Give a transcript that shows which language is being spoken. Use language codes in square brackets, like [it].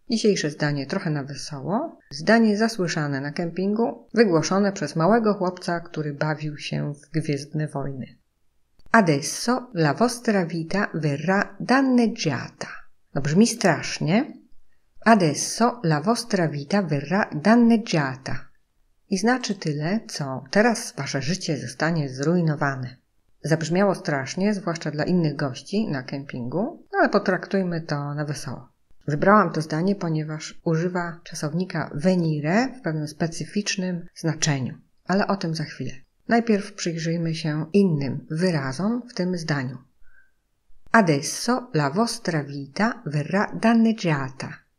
[pl] Dzisiejsze zdanie trochę na wesoło. Zdanie zasłyszane na kempingu, wygłoszone przez małego chłopca, który bawił się w Gwiezdne Wojny. [it] Adesso la vostra vita verrà danneggiata. [pl] No brzmi strasznie. [it] Adesso la vostra vita verrà danneggiata. [pl] I znaczy tyle, co teraz wasze życie zostanie zrujnowane. Zabrzmiało strasznie, zwłaszcza dla innych gości na kempingu, ale potraktujmy to na wesoło. Wybrałam to zdanie, ponieważ używa czasownika venire w pewnym specyficznym znaczeniu, ale o tym za chwilę. Najpierw przyjrzyjmy się innym wyrazom w tym zdaniu. [it] Adesso la vostra vita verrà danneggiata.